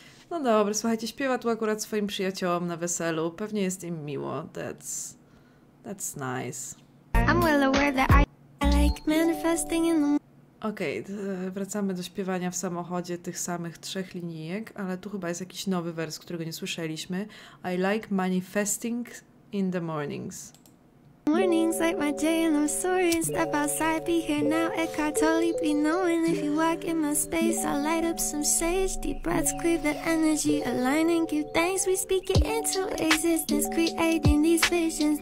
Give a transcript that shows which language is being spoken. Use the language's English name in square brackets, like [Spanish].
[Polish] No dobra, słuchajcie, śpiewa tu akurat swoim przyjaciołom na weselu. Pewnie jest im miło. [English] That's nice. I'm well aware that I like manifesting in the... [Polish] Okej, wracamy do śpiewania w samochodzie tych samych trzech linijek, ale tu chyba jest jakiś nowy wers, którego nie słyszeliśmy. [English] I like manifesting in the mornings. Mornings like my day and I'm soaring. Step outside, be here now. Eckhart Tolle, be knowing. If you walk in my space, I'll light up some sage. Deep breaths, clear the energy, align and give thanks. We speak it into existence, creating these visions.